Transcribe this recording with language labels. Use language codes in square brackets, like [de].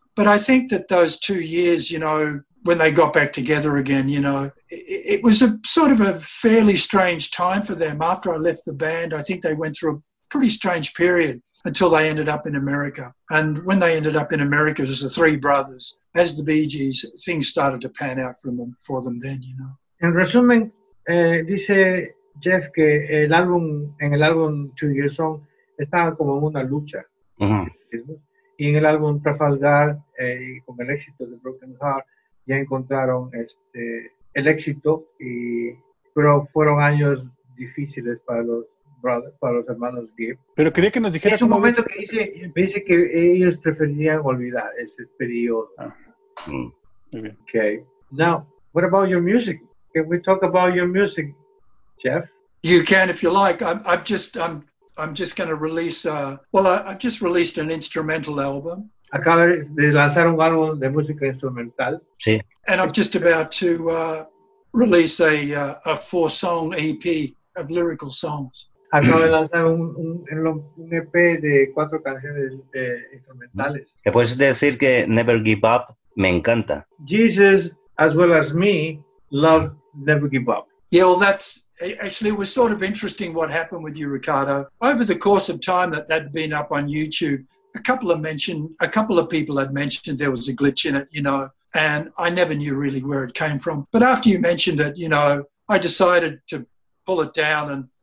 [en] But I think that those 2 years, you know, when they got back together again, you know, it was a sort of a fairly strange time for them. After I left the band, I think they went through a pretty strange period until they ended up in America. And when they ended up in America as the three brothers, as the Bee Gees, things started to pan out for them then, you know. [es] En resumen, dice Jeff que en el álbum 2 Years On estaba como una lucha. Uh-huh. Y en el álbum Trafalgar, con el éxito de Broken Heart, ya encontraron el éxito, pero fueron años difíciles para los hermanos Gibb. Pero quería que nos dijera. Es un momento que dice que ellos preferirían olvidar ese periodo. Ah. Mm. [en] Okay. Now, what about your music? Can we talk about your music, Jeff? You can if you like. I'm just going to release. I've just released an instrumental album. [es] Acaba de lanzar un álbum de música instrumental. Sí. [en] And I'm just about to release a 4-song EP of lyrical songs. [es] Acabo de lanzar un EP de 4 canciones instrumentales. ¿Te puedes decir que Never Give Up me encanta? [en] Jesus, as well as me, love Never Give Up. Yeah, well, that's... Actually, it was sort of interesting what happened with you, Ricardo. Over the course of time that that'd been up on YouTube, a couple of people had mentioned there was a glitch in it, you know, and I never knew really where it came from. But after you mentioned it, you know, I decided to pull it down and...